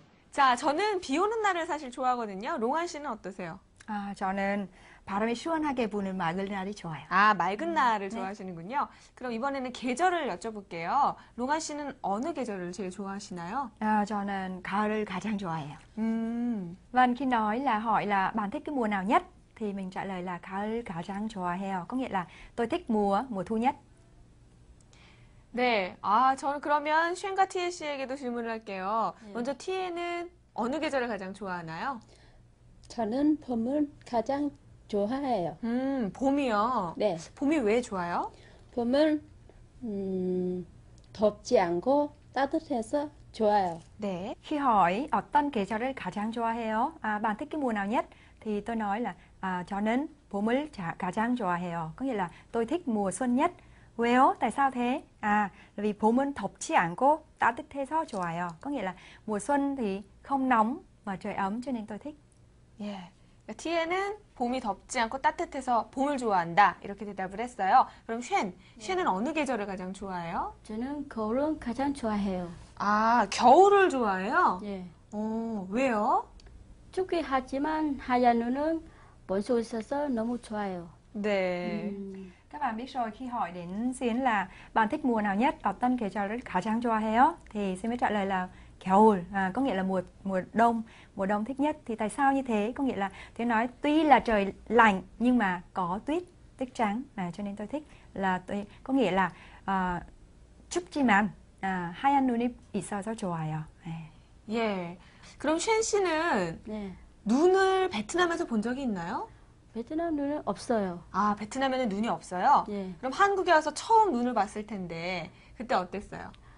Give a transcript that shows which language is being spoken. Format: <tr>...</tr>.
<ko>자, 저는 비 오는 날을 사실 좋아하거든요. 롱한 씨는 어떠세요? 아, 저는 바람이 시원하게 부는 맑은 날이 좋아요. 아, 맑은 날을 좋아하시는군요. 네. 그럼 이번에는 계절을 여쭤볼게요. 롱한 씨는 어느 계절을 제일 좋아하시나요? 아, 저는 가을을 가장 좋아해요.</ko> <vi>Và khi nói là hỏi là bạn thích cái mùa nào nhất thì mình trả lời là</vi> <ko>가을 가장 좋아해요.</ko> <vi>Có nghĩa là tôi thích mùa thu nhất.</vi> <ko>네. 아, 저는 그러면 쉔과 티엔 씨에게도 질문을 할게요. 네. 먼저 티엔은 어느 계절을 가장 좋아하나요? 저는 봄을 가장 좋아해요. 봄이요? 네. 봄이 왜 좋아요? 봄은 덥지 않고 따뜻해서 좋아요. 네.</ko> <vi>Khi hỏi</vi> <ko>어떤 계절을 가장 좋아해요?</ko> <vi>아, bạn thích cái mùa nào nhất? Thì tôi nói là</vi> <ko>아, 저는 봄을 가장 좋아해요.</ko> <vi>Có nghĩa là tôi thích mùa xuân nhất. Well, tại sao thế?</vi> <ko>아, vì 봄은 덥지 않고 따뜻해서 좋아요.</ko> <vi>Có nghĩa là mùa xuân thì không nóng mà trời ấm cho nên tôi thích. Yeah.</vi> <ko>티에는 봄이 덥지 않고 따뜻해서 봄을 좋아한다 이렇게 대답을 했어요. 그럼 쉔, 쉔은 어느 계절을 가장 좋아해요? 저는 겨울을 가장 좋아해요. 아, 겨울을 좋아해요? 예. 왜요? 춥긴 하지만 하얀 눈은 볼 수 있어서 너무 좋아요. 네.</ko> <vi>Các bạn biết rồi khi hỏi đến Xuyên là bạn thích mùa nào nhất,</vi> <ko>어떤 계절을 가장 좋아해요?</ko> <vi>Thì Xuyên mới trả lời là 겨울, 아, có nghĩa là mùa đông thích nhất. Thì tại sao như thế? Có nghĩa là tôi nói tuy là trời lạnh nhưng mà có tuyết trắng, à, cho nên tôi thích là tôi có nghĩa là</vi> <ko>춥지만 하얀 눈이 있어서 좋아요. 네. 예. 그럼 쉔 씨는 네. 눈을 베트남에서 본 적이 있나요? 베트남 눈은 없어요. 아, 베트남에는 눈이 없어요? 예. 그럼 한국에 와서 처음 눈을 봤을 텐데 그때 어땠어요?</ko>